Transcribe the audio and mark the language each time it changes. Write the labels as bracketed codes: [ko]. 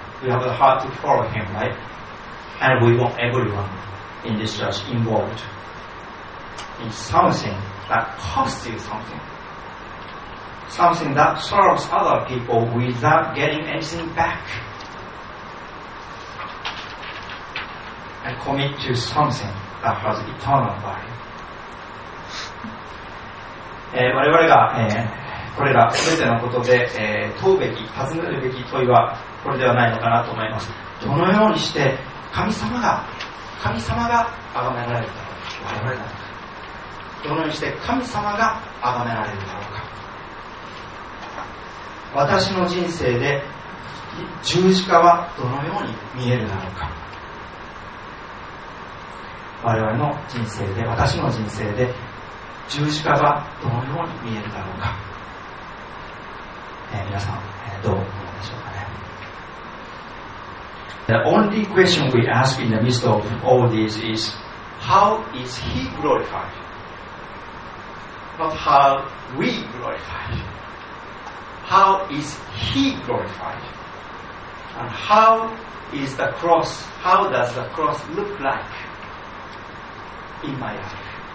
[en] We have the heart to follow him, right? And we want everyone in this church involved in something that costs you something. Something that serves other people without getting anything back. And commit to something that has eternal value. [ja] 我々が、これら全てのことで、問うべき、尋ねるべき問いはこれではないのかなと思います。どのようにして神様が崇められるだろうか、我々なのか、どのようにして神様が崇められるだろうか。私の人生で十字架はどのように見えるだろうか。我々の人生で、私の人生で十字架がどのように見えるだろうか。皆さん、どう思うでしょうかね。 [en] The only question we ask in the midst of all this is, how is he glorified? Not how we glorified. How is he glorified? And how is the cross, how does the cross look like in my life?